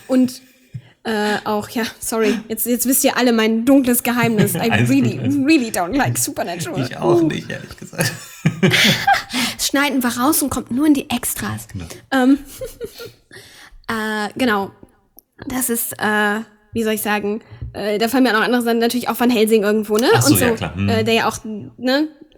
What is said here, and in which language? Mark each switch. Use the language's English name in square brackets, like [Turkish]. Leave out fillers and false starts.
[German] Und auch, ja, sorry, jetzt wisst ihr alle mein dunkles Geheimnis. [English] I really, really don't like Supernatural. [German] Ich auch nicht, ehrlich gesagt. Das schneiden wir raus und kommt nur in die Extras. Genau, das ist, wie soll ich sagen, da fallen mir auch noch andere Sachen, natürlich auch Van Helsing irgendwo, ne? Ach so, und so, ja, klar. Der ja auch, ne?